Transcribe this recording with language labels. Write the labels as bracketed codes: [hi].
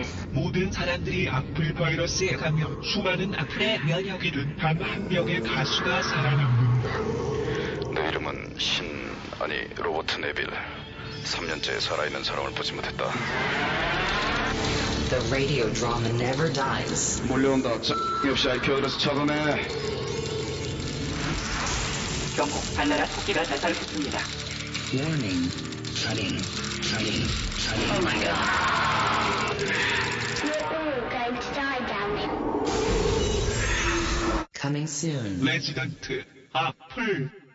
[ko] 모든 사람들이 악플 바이러스에 감염 수많은 악플의 면역이 든 단 한 명의 가수가 살아남는다. 내 이름은 신 아니 로봇 네빌. 3년째 살아있는 사람을 보지 못했다. [en] The radio drama never dies. [ko] 몰려온다. 자, 역시 IP 어드레스 차단해. 경고, 한나라 토끼가 자살했습니다. [en] Warning, [ko] 살인, 살인, 살인. [en] Oh my god. We're going to die, darling. Coming soon. [ko] Resident, 아플.